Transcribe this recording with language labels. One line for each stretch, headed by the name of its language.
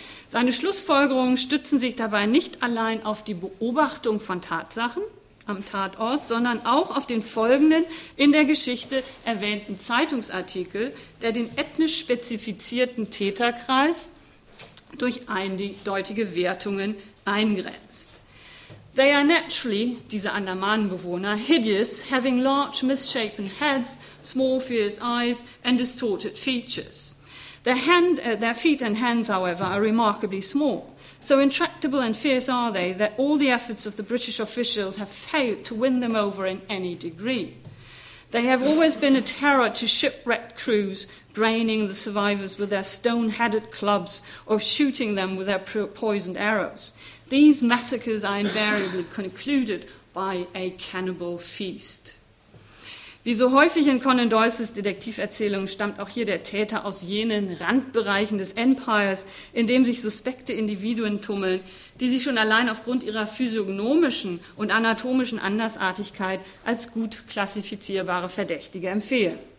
German: Seine Schlussfolgerungen stützen sich dabei nicht allein auf die Beobachtung von Tatsachen am Tatort, sondern auch auf den folgenden in der Geschichte erwähnten Zeitungsartikel, der den ethnisch spezifizierten Täterkreis durch eindeutige Wertungen eingrenzt.
English: They are naturally,
German: diese Andamanenbewohner,
English: hideous, having large misshapen heads, small fierce eyes and distorted features. Their feet and hands, however, are remarkably small. So intractable and fierce are they that all the efforts of the British officials have failed to win them over in any degree. They have always been a terror to shipwrecked crews, braining the survivors with their stone-headed clubs or shooting them with their poisoned arrows. These massacres are invariably concluded by a cannibal feast.
German: Wie so häufig in Conan Doyles Detektiverzählungen stammt auch hier der Täter aus jenen Randbereichen des Empires, in dem sich suspekte Individuen tummeln, die sich schon allein aufgrund ihrer physiognomischen und anatomischen Andersartigkeit als gut klassifizierbare Verdächtige empfehlen.